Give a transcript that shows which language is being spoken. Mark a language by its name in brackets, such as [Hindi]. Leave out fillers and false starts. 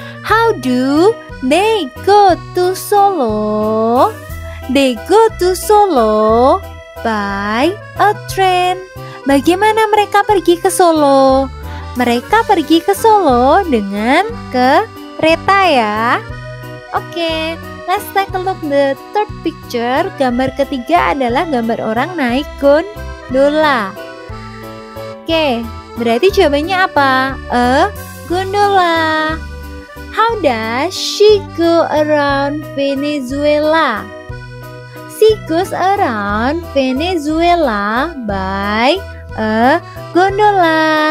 [English] How do they go to Solo? They go to Solo by a train. [Indonesian] Bagaimana mereka pergi ke Solo? Mereka pergi ke Solo dengan kereta ya. [English] Oke, let's take a look the third picture. [Indonesian] Gambar ketiga adalah gambar orang naik gondola. Oke, berarti jawabannya apa? [English] A gondola. How does she go around Venezuela? She goes around Venezuela by a gondola.